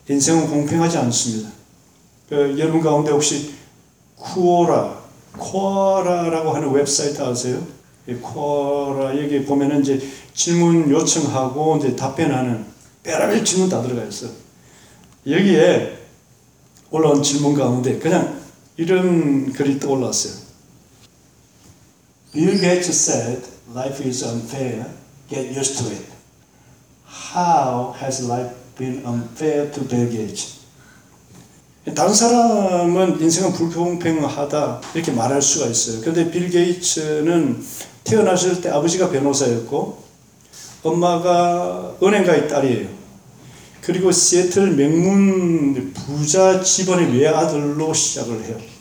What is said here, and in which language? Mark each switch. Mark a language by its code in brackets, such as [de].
[ko] 인생은 공평하지 않습니다. 여러분 가운데 혹시 코어라라고 하는 웹사이트 아세요? 코어라 여기 보면 이제 질문 요청하고 이제 답변하는 여러별 질문 다 들어가 있어요. 여기에 올라온 질문 가운데 그냥 이런 글이 떠올랐어요. [en] Bill Gates said life is unfair. Get used to it. How has life been unfair to Bill Gates? [ko] 다른 사람은 인생은 불공평하다 이렇게 말할 수가 있어요. 그런데 빌 게이츠는 태어나실 때 아버지가 변호사였고 엄마가 은행가의 딸이에요. 그리고 시애틀 명문 부자 집안의 외아들로 시작을 해요.